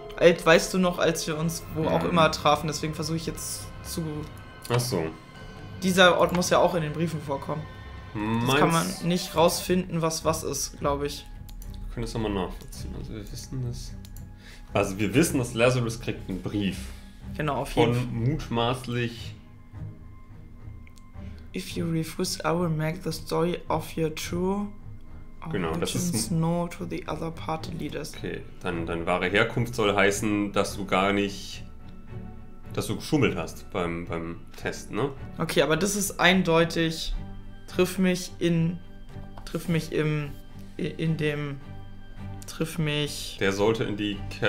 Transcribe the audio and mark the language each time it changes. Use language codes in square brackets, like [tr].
[de] Weißt du noch, als wir uns wo auch immer trafen, deswegen versuche ich jetzt zu... Ach so. Dieser Ort muss ja auch in den Briefen vorkommen. Meinst, das kann man nicht rausfinden, was ist, glaube ich. Wir können das nochmal nachvollziehen. Also wir wissen das. Also wir wissen, dass Lazarus kriegt einen Brief. Genau, auf jeden Fall. Von mutmaßlich... [en] If you refuse, I will make the story of your true... [de] Genau, das ist... [en] ...know to the other party leaders. [de] Okay, dann wahre Herkunft soll heißen, dass du gar nicht... dass du geschummelt hast beim Test, ne? Okay, aber das ist eindeutig... Der sollte in die...